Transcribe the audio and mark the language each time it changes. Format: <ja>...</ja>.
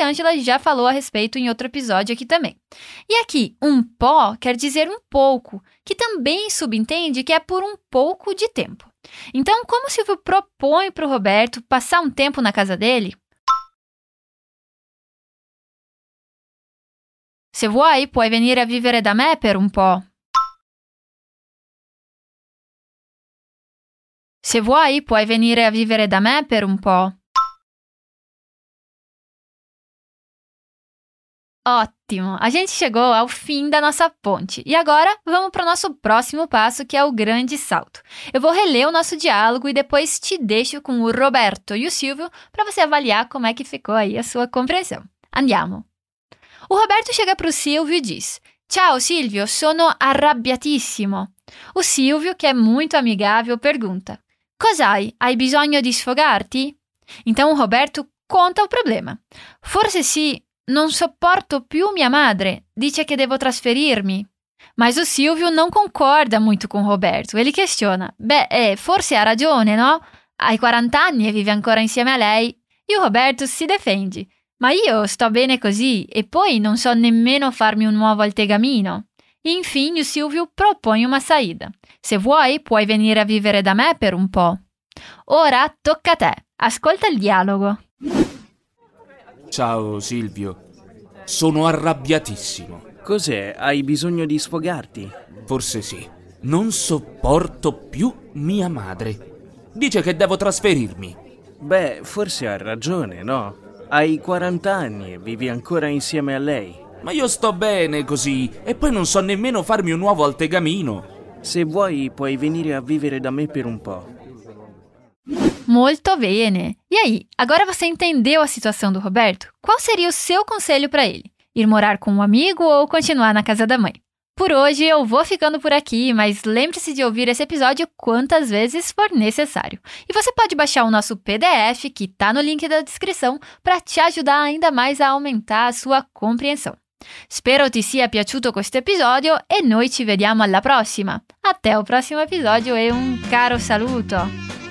<pt>Ângela já falou a respeito em outro episódio aqui também. E aqui, um pó quer dizer um pouco, que também subentende que é por um pouco de tempo. Então, como o Silvio propõe para o Roberto passar um tempo na casa dele?</pt> <it>Se vuoi, puoi venire a vivere da me per un po'. Se vuoi, puoi venire a vivere da me per un po'.</it> <pt>Ótimo! A gente chegou ao fim da nossa ponte. E agora, vamos para o nosso próximo passo, que é o grande salto. Eu vou reler o nosso diálogo e depois te deixo com o Roberto e o Silvio para você avaliar como é que ficou aí a sua compreensão. Andiamo! O Roberto chega para o Silvio e diz:</pt> <it>Ciao Silvio, sono arrabbiatissimo.</it> <pt>O Silvio, que é muito amigável, pergunta:</pt> <it>Cos'hai? Hai bisogno di sfogarti?</it> <pt>Então o Roberto conta o problema.</pt> <it>Forse sì, non sopporto più mia madre, dice che devo trasferirmi.</it> <pt>Mas o Silvio não concorda muito com o Roberto. Ele questiona:</pt> <it>Beh, forse ha ragione, no? Hai 40 anni e vive ancora insieme a lei.</it> <pt>E o Roberto</pt> <it>si defende. Ma io sto bene così e poi non so nemmeno farmi un uovo al tegamino.</it> <pt>Infine, o Silvio propõe uma saída.</pt> <it>Se vuoi, puoi venire a vivere da me per un po'. Ora tocca a te. Ascolta il dialogo. Ciao Silvio. Sono arrabbiatissimo. Cos'è? Hai bisogno di sfogarti? Forse sì. Non sopporto più mia madre. Dice che devo trasferirmi. Beh, forse ha ragione, no? Hai 40 anni e vivi ancora insieme a lei. Ma io sto bene così e poi non so nemmeno farmi un uovo al tegamino. Se vuoi puoi venire a vivere da me per un po'. Molto bene.</it> <pt>E aí, agora você entendeu a situação do Roberto? Qual seria o seu conselho para ele? Ir morar com um amigo ou continuar na casa da mãe? Por hoje eu vou ficando por aqui, mas lembre-se de ouvir esse episódio quantas vezes for necessário. E você pode baixar o nosso PDF, que está no link da descrição, para te ajudar ainda mais a aumentar a sua compreensão.</pt> <it>Espero ti sia piaciuto questo episodio e noi ci vediamo alla prossima.</it> <pt>Até o próximo episódio</pt> <it>e um caro saluto!</it>